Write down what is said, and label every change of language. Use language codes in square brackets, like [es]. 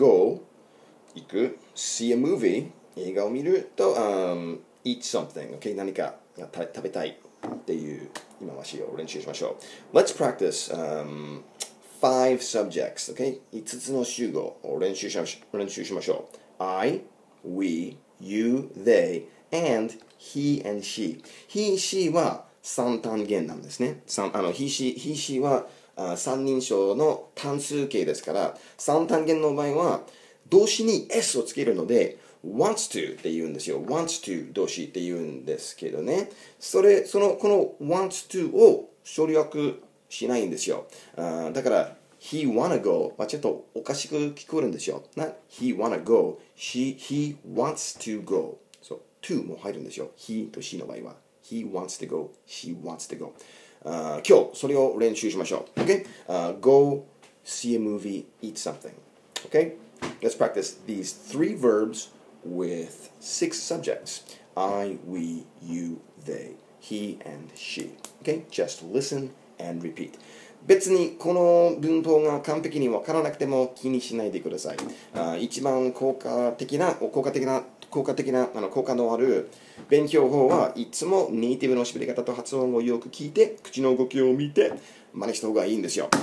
[en] go [ja] 行く、 [en] see a movie [ja] 映画を見ると、 [en] eat something、 okay? [ja] 何か食べたいっていう今話を練習しましょう。 [en] let's practice、five subjects, okay? [ja] 5つの主語を練習しましょう。 [en] I, we, you, they, and he and she. [ja] He, she は三単元なんですね。He, she は三人称の単数形ですから、三単元の場合は動詞に S をつけるので [en] wants to [ja] って言うんですよ。 [en] wants to [ja] 動詞って言うんですけどね。この wants to を省略しないんですよ。だから [en] he wanna go [ja] はちょっとおかしく聞こえるんですよ。な [en] he wanna go, he wants to go、 so, to [ja] も入るんですよ。 [en] he と she [ja] の場合は [en] he wants to go, she wants to go。 [ja] 今日それを練習しましょう。 [en] okay? Go, see a movie, eat something、okay? Let's practice these three verbs with six subjects. I, we, you, they, he and she、okay? Just listenand repeat. [ja] 別にこの文法が完璧に分からなくても気にしないでください。一番効果のある勉強法はいつもネイティブの喋り方と発音をよく聞いて口の動きを見て真似した方がいいんですよ。